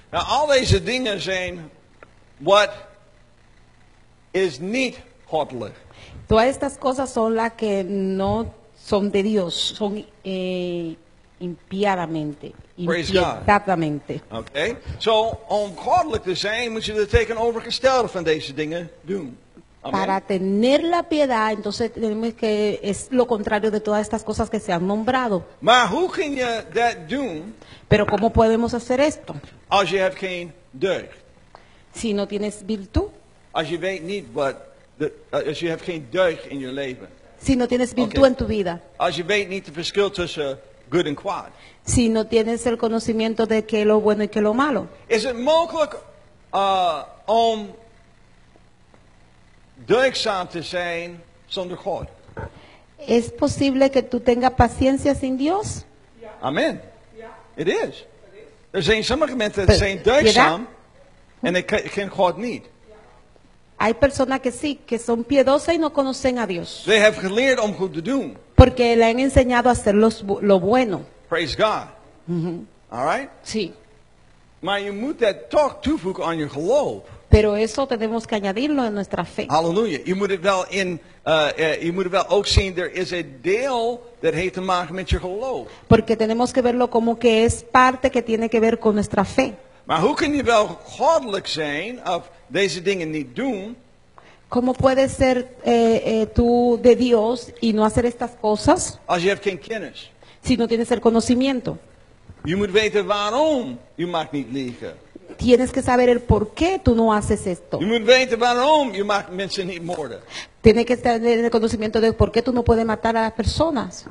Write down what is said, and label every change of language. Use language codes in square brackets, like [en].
[nl] Now all deze dingen zijn what is niet godly. [es] Todas estas cosas son las que no son de Dios, son impíadamente. [en] Praise God. Okay. [nl] So, om godelijk te zijn, moet je het tegenovergestelde van deze dingen doen. [en] Amen. [es] Para tener la piedad, entonces tenemos que es lo contrario de todas estas cosas que se han nombrado. [nl] Maar hoe kun je dat doen? [es] Pero cómo podemos hacer esto? [nl] Als je hebt geen deugd. [es] Si no tienes virtud. [nl] Als je weet niet wat, als je hebt geen deugd in je leven. [es] Si no tienes virtud okay. En tu vida. [nl] Als je weet niet de verschil tussen [en] good and quad. [es] Si no tienes el conocimiento de qué es lo bueno y qué es lo malo. [nl] Is it mogelijk om deugzaam te zijn zonder God? [es] ¿Es posible que tú tengas paciencia sin Dios? [en] Yeah. Amen. Yeah. It is. [nl] Er zijn sommige mensen die zijn deugzaam en ik ken God niet. [es] Hay personas que sí, que son piedosas y no conocen a Dios. [en] They have [nl] geleerd om goed te doen. [es] Porque le han enseñado a hacer lo bueno. [en] Praise God. Mm-hmm. All right? [es] Sí. [nl] Maar je moet dat toch toevoegen aan je geloof. [es] Pero eso tenemos que añadirlo en nuestra fe. [en] Hallelujah. [nl] Je moet het wel in, je moet het wel ook zien, [en] there is a deal that [nl] heeft te maken met je geloof. [es] Porque tenemos que verlo como que es parte que tiene que ver con nuestra fe. [nl] Maar hoe kun je wel goddelijk zijn of deze dingen niet doen? [es] ¿Cómo puede ser tú de Dios y no hacer estas cosas? [nl] Als je hebt geen kennis. [es] Si no tienes el conocimiento. [nl] Je moet weten waarom je mag niet liegen. [es] Tienes que saber el por qué tú no haces esto. [nl] Je moet weten waarom je mag mensen niet moorden. [es] Tienes que tener el conocimiento de por qué tú no puedes matar a las personas.